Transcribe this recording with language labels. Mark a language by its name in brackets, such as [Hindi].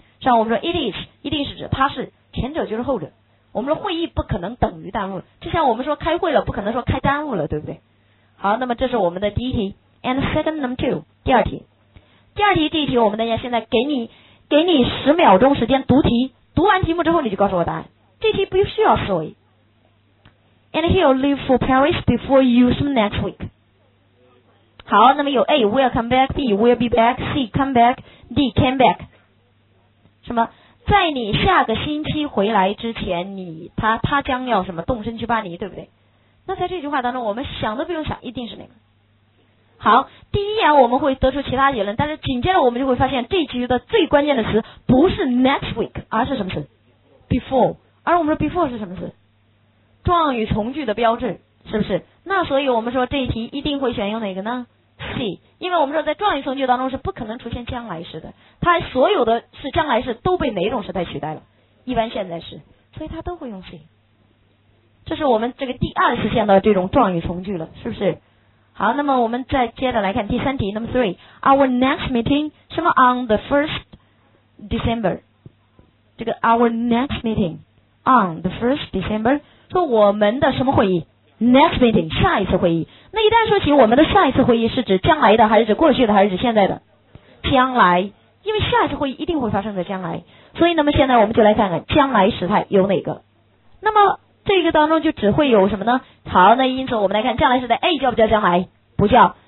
[Chinese] 像我们说 it is 一定是指它是，前者就是后者。我们说会议不可能等于耽误，就像我们说开会了不可能说开耽误了，对不对？好，那么这是我们的第一题。 and second number two，第二题，第二题，这一题我们大家现在给你十秒钟时间读题，读完题目之后你就告诉我答案，这题不需要思维。 [English] and he'll leave for Paris before you some next week。 [Chinese] 好，那么有 A will come back， B will be back， C come back， D came back。什么？在你下个星期回来之前，他将要什么动身去巴黎，对不对？那在这句话当中，我们想都不用想，一定是那个。好，第一眼我们会得出其他结论，但是紧接着我们就会发现，这句的最关键的词不是 next week， 而是什么词？ [English] before。 [Chinese] 而我们说 before 是什么词？状语从句的标志，是不是？那所以我们说这一题一定会选用哪个呢？ [English] C。 [Chinese] 因为我们说在状语从句当中是不可能出现将来时的，它所有的是将来时都被哪种时态取代了？一般现在时，所以它都会用 C。这是我们这个第二次见到这种状语从句了，是不是？好，那么我们再接着来看第三题 number three。 [English] Our next meeting 什么 on the 1st December，这个 our next meeting on the 1st December，说我们的什么会议？ [Chinese] next meeting 下一次会议。那一旦说起我们的下一次会议，是指将来的还是指过去的还是指现在的？将来，因为下一次会议一定会发生在将来，所以那么现在我们就来看看将来时态有哪个。那么这个当中就只会有什么呢？好，那因此我们来看将来时态 A 叫不叫将来？不叫。